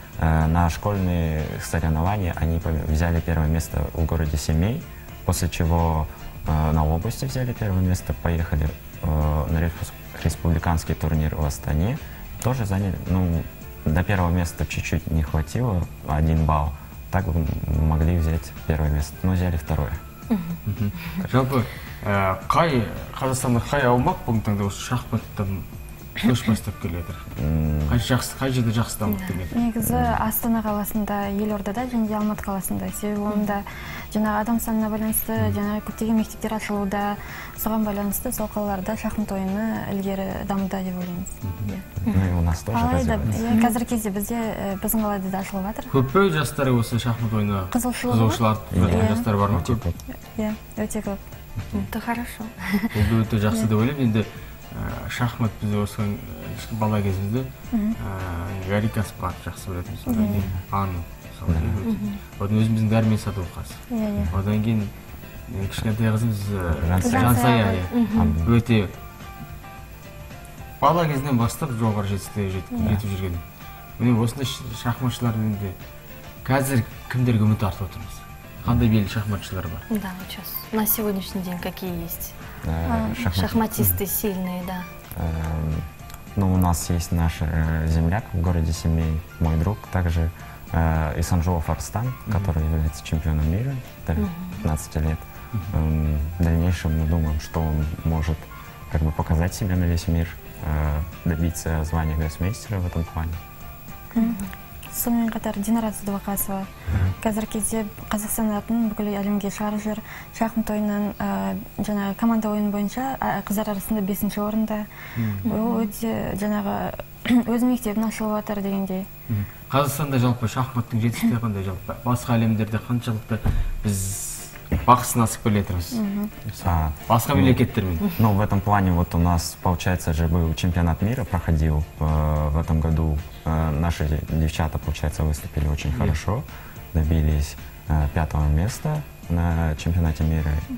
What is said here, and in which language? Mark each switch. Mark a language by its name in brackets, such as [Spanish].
[Russian] На школьные соревнования они взяли 1-е место в городе Семей, после чего на области взяли 1-е место, поехали на республиканский турнир в Астане. Тоже заняли, до 1-го места чуть-чуть не хватило, 1 балл, так бы могли взять первое место, но взяли второе. [Kazakh] Жалпы, қай Қазақстанда қай аумақ бұл таңда осы шахматтан көш бастап келеді? Қай жерде жақсы дамып келеді? Негізі Астана қаласында, Елордада және де Алматы қаласында. Себебі онда жаңағы адам санына байланысты, жаңағы көптеген мектептер ашылуда, соған байланысты сол қалаларда шахмат ойыны ілгері дамыды деп ойлаймыз. Алайда қазіргі кезде бізде біздің қалада да ашылып жатыр. Көп пе жастар осы шахмат ойыны қызығушылар жастар бар ма? Иә, өте көп. [Russian] Это хорошо. [Kazakh] Бұл өте жақсы деп ойлаймын. Енді шахмат бізде осыған кішкене бала кезімізде Гарри Каспар жақсы білетінбіз. Ан одан өзіміздің Дәрмен Садуақас, одан кейін кішкентай қызымыз Жансая, өте бала кезінен бастап жоғары жетістікке жетіп жүрген. Міне осындай шахматшылар енді қазір кімдерге үміт артып отырмыз? Қандай белгілі шахматшылар бар? [Russian] Да, сейчас. На сегодняшний день какие есть шахматисты сильные, да? Ну, у нас есть наш земляк в городе Семей, мой друг, также Исанжолов Арстан, который является чемпионом мира, 15 лет. В дальнейшем мы думаем, что он может как бы показать себя на весь мир, добиться звания гроссмейстера в этом плане. [Kazakh] Сонымен қатар Динара Садуақасова. Қазір кезде Қазақстан атынан бүкіл әлемге шығарып жүр. Шахмат ойынан жаңағы команда ойын бойынша қыздар арасында 5-ші орында. Ол өте жаңағы өз мектебін ашылып жатыр дегендей. Қазақстанда жалпы шахматтың жетістігі қандай жалпы? Басқа әлемдерде қаншалықты біз бақ сынасып келе жатырмыз? Басқа мемлекеттермен? [Russian] Ну, в этом плане вот у нас получается же был чемпионат мира проходил в этом году. Наши девчата, получается, выступили очень хорошо, добились 5-го места на чемпионате мира.